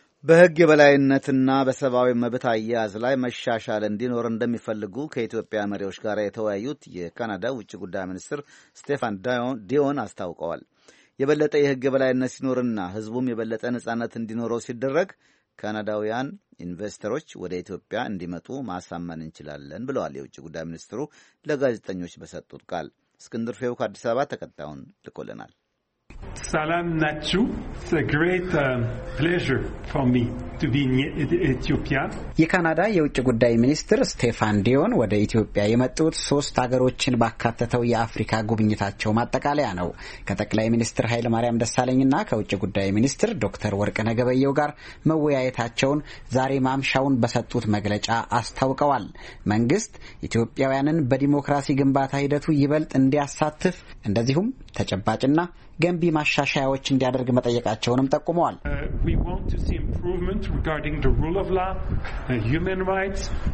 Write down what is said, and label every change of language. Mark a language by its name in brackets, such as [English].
[Amharic] በሕግ የበላይነትና በሰብአዊ መብት አያያዝ ላይ መሻሻል እንዲኖር እንደሚፈልጉ ከኢትዮጵያ መሪዎች ጋር የተወያዩት የካናዳ ውጭ ጉዳይ ሚኒስትር ስቴፋን ዲዮን አስታውቀዋል። የበለጠ የሕግ የበላይነት ሲኖርና ሕዝቡም የበለጠ ነጻነት እንዲኖረው ሲደረግ ካናዳውያን ኢንቨስተሮች ወደ ኢትዮጵያ እንዲመጡ ማሳመን እንችላለን ብለዋል የውጭ ጉዳይ ሚኒስትሩ ለጋዜጠኞች በሰጡት ቃል። እስክንድር ፌው ከአዲስ አበባ ተከታዩን ልኮልናል። Salam Nachu. [English] It's a great pleasure for me to be in Ethiopia. [Amharic] የካናዳ የውጭ ጉዳይ ሚኒስትር ስቴፋን ዲዮን ወደ ኢትዮጵያ የመጡት ሶስት አገሮችን ባካተተው የአፍሪካ ጉብኝታቸው ማጠቃለያ ነው። ከጠቅላይ ሚኒስትር ኃይለ ማርያም ደሳለኝና ከውጭ ጉዳይ ሚኒስትር ዶክተር ወርቅነህ ገበየሁ ጋር መወያየታቸውን ዛሬ ማምሻውን በሰጡት መግለጫ አስታውቀዋል። መንግስት ኢትዮጵያውያንን በዲሞክራሲ ግንባታ ሂደቱ ይበልጥ እንዲያሳትፍ እንደዚሁም ተጨባጭና ገንቢ ማሻሻያዎች እንዲያደርግ መጠየቃቸውንም ጠቁመዋል። [English] We want to see improvement regarding the rule of law, human rights.